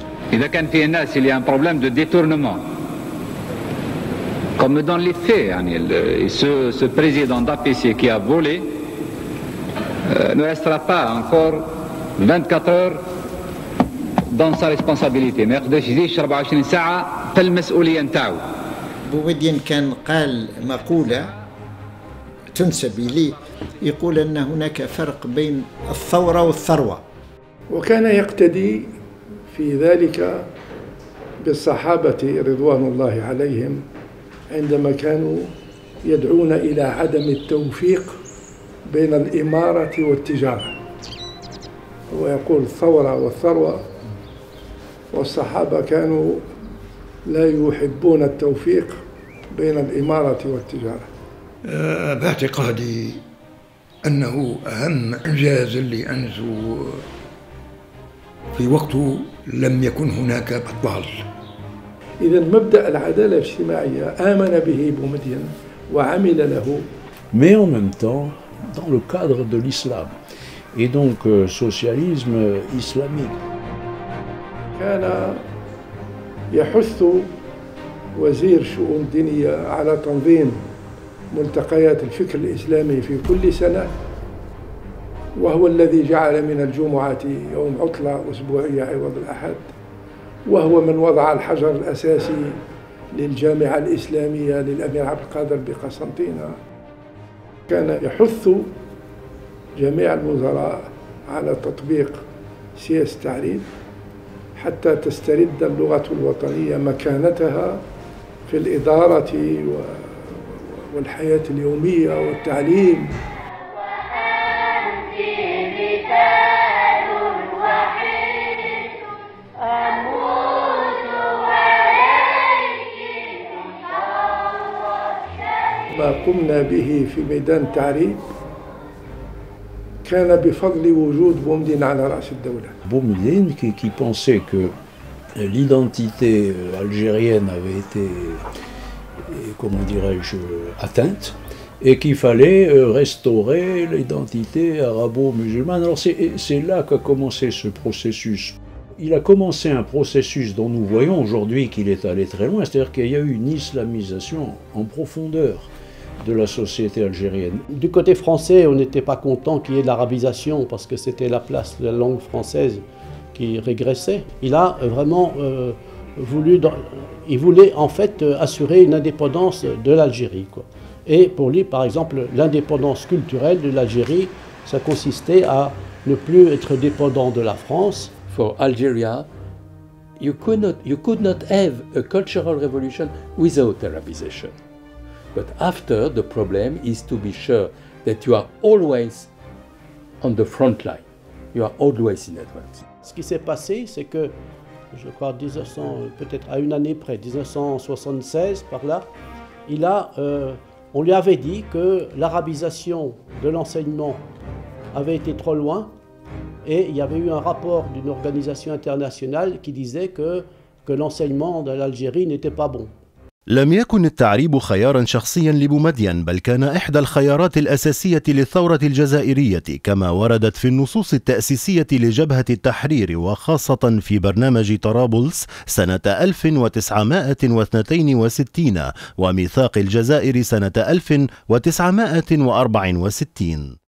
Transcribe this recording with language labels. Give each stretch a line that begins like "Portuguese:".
French: Et avec un PNS, il y a un problème de détournement. Comme dans les faits, Anil, ce président d'APC qui a volé ne restera pas encore 24 heures dans sa responsabilité. Mais il y a 24 heures de la responsabilité.
Arabic: Boumedine Ken قال مقولة تنسب إليه يقول أن هناك فرق بين الثورة والثروة. وكان يقتدي في ذلك بالصحابة رضوان الله عليهم عندما كانوا يدعون إلى عدم التوفيق بين الإمارة والتجارة، ويقول الثورة والثروة، والصحابة كانوا لا يحبون التوفيق بين الإمارة والتجارة. باعتقادي أنه أهم إنجاز اللي أنزو في وقته لم يكن هناك بطال. إذن مبدأ العدالة الاجتماعية آمن به بومدين وعمل له.
French: Mais en même temps, dans le cadre de l'islam et donc socialisme islamique.
Arabic: كان يحث وزير شؤون دينية على تنظيم ملتقيات الفكر الإسلامي في كل سنة، وهو الذي جعل من الجمعة يوم عطلة أسبوعية عوض الأحد، وهو من وضع الحجر الأساسي للجامعة الإسلامية للأمير عبد القادر بقسنطينة. كان يحث جميع الوزراء على تطبيق سياسة التعريف حتى تسترد اللغة الوطنية مكانتها في الإدارة والحياة اليومية والتعليم. ما قمنا به في ميدان تعريب كان بفضل وجود بومدين على رأس الدولة.
French: بومدين qui pensait que l'identité algérienne avait été comment dirais-je atteinte et qu'il fallait restaurer l'identité arabo-musulmane. Alors c'est là qu'a commencé ce processus. Il a commencé un processus dont nous voyons aujourd'hui qu'il est allé très loin, c'est-à-dire qu'il y a eu une islamisation en profondeur de la société algérienne. Du côté français, on n'était pas content qu'il y ait de l'arabisation parce que c'était la place de la langue française qui régressait. Il a vraiment voulait assurer une indépendance de l'Algérie, quoi. Et pour lui, par exemple, l'indépendance culturelle de l'Algérie, ça consistait à ne plus être dépendant de la France.
English: For Algeria, you could not have a cultural revolution without Arabization. But after, the problem is to be sure that you are always on the front line. You are always in advance.
French: Ce qui s'est passé, c'est que je crois 1900, peut-être à une année près, 1976 par là, on lui avait dit que l'arabisation de l'enseignement avait été trop loin, et il y avait eu un rapport d'une organisation internationale qui disait que l'enseignement de l'Algérie n'était pas bon.
Arabic: لم يكن التعريب خيارا شخصيا لبومدين، بل كان إحدى الخيارات الأساسية للثورة الجزائرية كما وردت في النصوص التأسيسية لجبهة التحرير، وخاصة في برنامج طرابلس سنة 1962 وميثاق الجزائر سنة 1964.